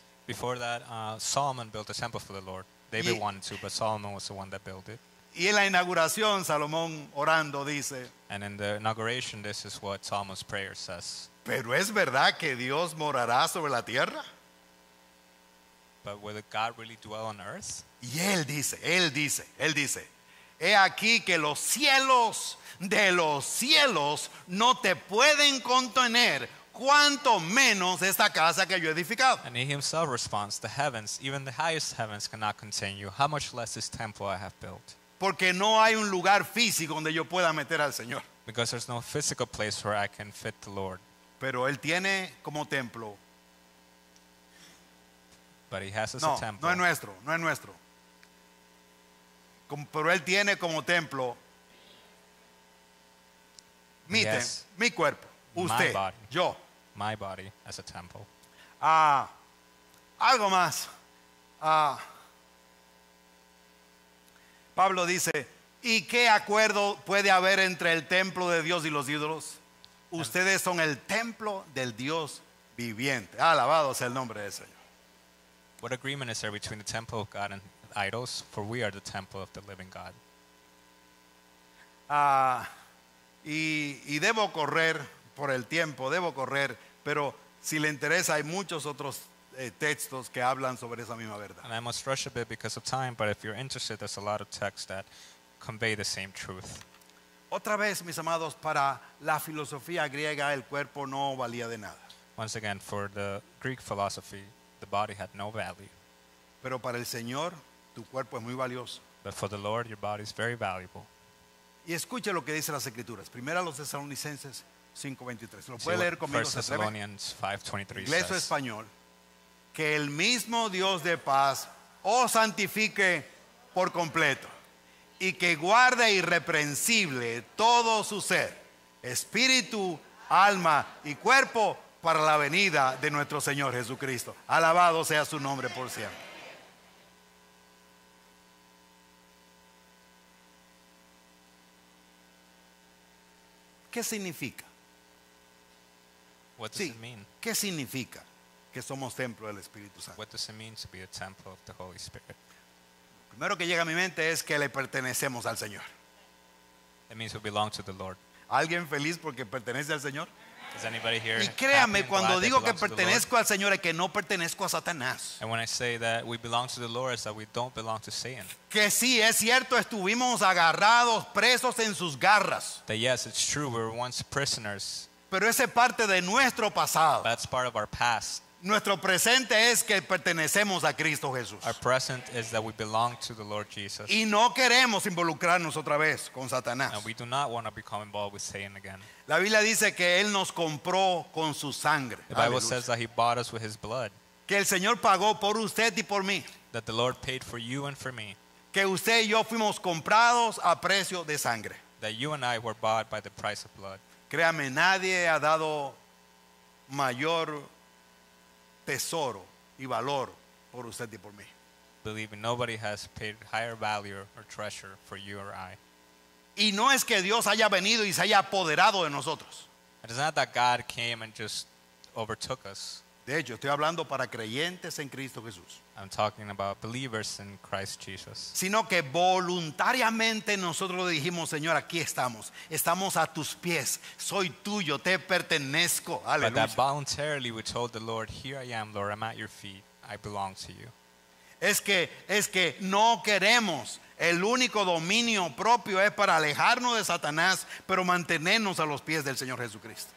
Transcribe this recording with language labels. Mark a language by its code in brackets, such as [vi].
[en] Before that, Solomon built a temple for the Lord. David wanted to, but Solomon was the one that built it. [es] Y en la inauguración, Salomón orando dice, [en] and in the inauguration, this is what Solomon's prayer says. [es] ¿Pero es verdad que Dios morará sobre la tierra? [en] But will God really dwell on earth? [es] Y él dice, he aquí que los cielos de los cielos no te pueden contener, cuanto menos esta casa que yo he edificado. [en] And he himself responds, the heavens, even the highest heavens cannot contain you. How much less this temple I have built. [es] Porque no hay un lugar físico donde yo pueda meter al Señor. [en] Because there's no physical place where I can fit the Lord. [es] Pero él tiene como templo. [en] But he has as no, a temple. [es] No, no es nuestro. Pero él tiene como templo mi cuerpo, usted, [en] my body, [es] yo. [en] My body as a temple. [es] Algo más. Pablo dice, ¿y qué acuerdo puede haber entre el templo de Dios y los ídolos? Ustedes son el templo del Dios viviente. Alabado sea el nombre del Señor. [en] What agreement is there between the temple of God and idols? For we are the temple of the living God. [es] Y debo correr por el tiempo, pero si le interesa hay muchos otros textos que hablan sobre esa misma verdad. [en] And I must rush a bit because of time, but if you're interested, there's a lot of texts that convey the same truth. [es] Otra vez, mis amados, para la filosofía griega, el cuerpo no valía de nada. [en] Once again, for the Greek philosophy, the body had no value. [es] Pero para el Señor, tu cuerpo es muy valioso. [en] But for the Lord, your body is very valuable. [es] Y escuche lo que dice las Escrituras. Primera a los Tesalonicenses 5:23. Lo puede leer conmigo. [en] 1 Thessalonians 5:23. [es] Inglés o español. Que el mismo Dios de paz os santifique por completo y que guarde irreprensible todo su ser, espíritu, alma y cuerpo para la venida de nuestro Señor Jesucristo. Alabado sea su nombre por siempre. ¿Qué significa? [en] What does [es] sí, [en] it mean? [es] ¿Qué significa? Que somos templo del Espíritu Santo. [en] What does it mean to be a temple of the Holy Spirit? [es] Lo primero que llega a mi mente es que le pertenecemos al Señor. [en] It means we belong to the Lord. [es] ¿Alguien feliz porque pertenece al Señor? [en] Is anybody here? [es] Y créame, cuando digo que pertenezco al Señor es que no pertenezco a Satanás. [en] And when I say that we belong to the Lord is that we don't belong to Satan. [es] Que sí, es cierto, estuvimos agarrados, presos en sus garras. [en] That yes, it's true, we were once prisoners. [es] Pero ese parte de nuestro pasado. [en] That's part of our past. [es] Nuestro presente es que pertenecemos a Cristo Jesús. [en] Our present is that we belong to the Lord Jesus. [es] Y no queremos involucrarnos otra vez con Satanás. [en] And we do not want to become involved with Satan again. [es] La Biblia dice que él nos compró con su sangre. [en] The Bible says that he bought us with his blood. [es] Que el Señor pagó por usted y por mí. [en] That the Lord paid for you and for me. [es] Que usted y yo fuimos comprados a precio de sangre. [en] That you and I were bought by the price of blood. [es] Créame, nadie ha dado mayor tesoro y valor por usted y por mí. [en] Believe me, nobody has paid higher value or treasure for you or I. [es] Y no es que Dios haya venido y se haya apoderado de nosotros. [en] It's not that God came and just overtook us. [es] De hecho, estoy hablando para creyentes en Cristo Jesús. [en] I'm talking about believers in Christ Jesus. [es] Sino que voluntariamente nosotros dijimos, Señor, aquí estamos. Estamos a tus pies. Soy tuyo, te pertenezco. Aleluya. [en] But that voluntarily we told the Lord, here I am, Lord, I'm at your feet. I belong to you. [es] es que no queremos. El único dominio propio es para alejarnos de Satanás, pero mantenernos a los pies del Señor Jesucristo.